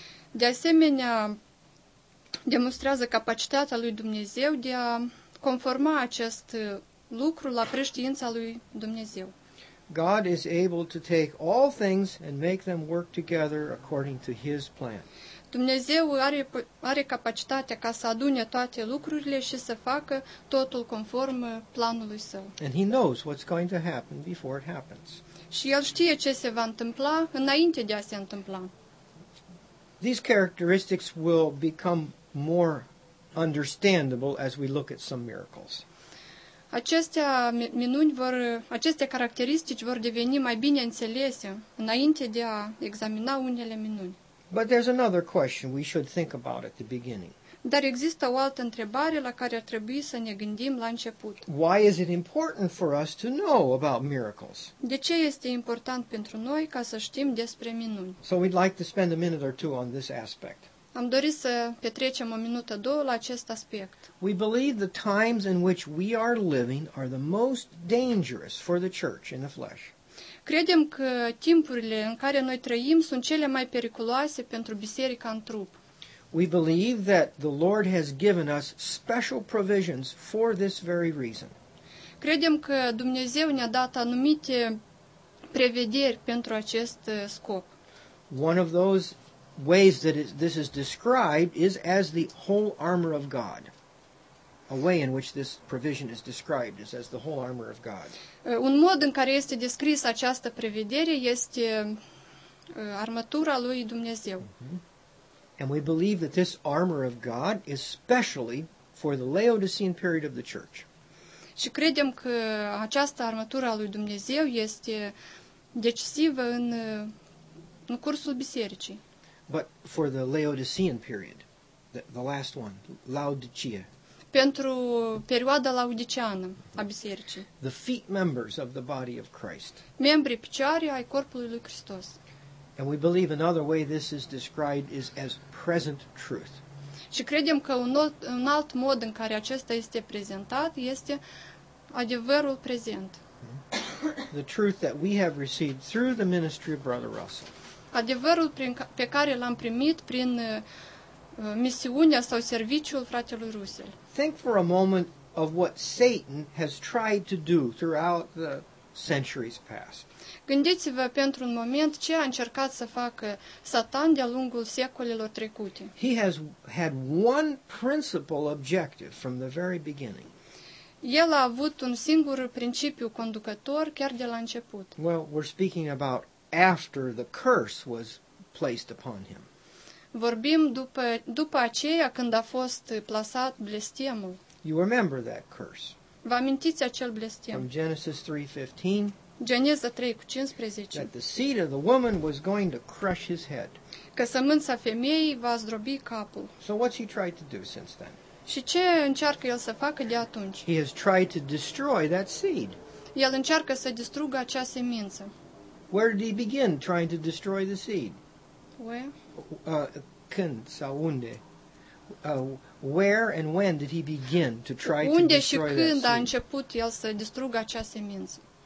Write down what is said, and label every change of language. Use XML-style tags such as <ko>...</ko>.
<ro>De asemenea, demonstrează capacitatea lui Dumnezeu de a conforma acest lucru la preștiința lui Dumnezeu.</ro> <en>God is able to take all things and make them work together according to his plan.</en> <ro>Dumnezeu are, are capacitatea ca să adune toate lucrurile și să facă totul conform planului său.</ro> <en>And he knows what's going to happen before it happens.</en> <ro>Și el știe ce se va întâmpla înainte de a se întâmpla.</ro> <en>These characteristics will become more understandable as we look at some miracles.</en> <ro>Acestea minuni vor, aceste caracteristici vor deveni mai bine înțelese înainte de a examina unele minuni.</ro> <en>But there's another question we should think about at the beginning.</en> <ro>Dar există o altă întrebare la care ar trebui să ne gândim la început.</ro> <en>Why is it important for us to know about miracles?</en> <ro>De ce este important pentru noi ca să știm despre minuni?</ro> <en>So we'd like to spend a minute or two on this aspect.</en> <ro>Am dorit să petrecem o minută, două la acest aspect.</ro> <en>We believe the times in which we are living are the most dangerous for the church in the flesh.</en> <ro>Credem că timpurile în care noi trăim sunt cele mai periculoase pentru biserica în trup.</ro> <en>We believe that the Lord has given us special provisions for this very reason.</en> <ro>Credem că Dumnezeu ne-a dat anumite prevederi pentru acest scop.</ro> <en>One of those ways that this is described is as the whole armor of God. A way in which this provision is described is as the whole armor of God.</en> <ro>Un mod în care este descris această prevedere este armatura lui Dumnezeu.</ro> <en>And we believe that this armor of God is specially for the Laodicean period of the church.</en> <ro>Și credem că această armatură a lui Dumnezeu este decisivă în cursul bisericii.</ro> <en>But for the Laodicean period, the last one, Laodicea.</en> <ro>Pentru perioada laodiceană a bisericii.</ro> <en>The feet members of the body of Christ.</en> <ro>Membrii picioare ai corpului lui Hristos.</ro> <en>And we believe another way this is described is as present truth.</en> <ro>Și credem că un alt mod în care acesta este prezentat este adevărul prezent.</ro> <en>The truth that we have received through the ministry of Brother Russell.</en> <ro>Adevărul pe care l-am primit prin misiunea sau serviciul fratelui Russell.</ro> <en>Think for a moment of what Satan has tried to do throughout the centuries past.</en> <ro>Gândiți-vă pentru un moment ce a încercat să facă Satan de-a lungul secolelor trecute.</ro> <en>He has had one principal objective from the very beginning.</en> <ro>El a avut un singur principiu conducător chiar de la început.</ro> <en>Well, we're speaking about after the curse was placed upon him.</en> <ro>Vorbim după aceea când a fost plasat blestemul.</ro> <en>You remember that curse.</en> <ro>Vă amintiți acel blestem?</ro> <en>From Genesis 3:15.</en> <ro>Geneza 3:15.</ro> <en>That the seed of the woman was going to crush his head.</en> <ro>Că sămânța femeii va zdrobi capul.</ro> <en>So what's he tried to do since then?</en> <ro>Și ce încearcă el să facă de atunci?</ro> <en>He has tried to destroy that seed.</en> <ro>El încearcă să distrugă acea semință.</ro> <en>Where did he begin trying to destroy the seed? Where?</en> <ro>Când sau unde?</ro> <en>Where and when did he begin to try</en> <ro>unde</ro> <en>to destroy that seed?</en> <ro>Unde și când a început el să distrugă acea semință?</ro>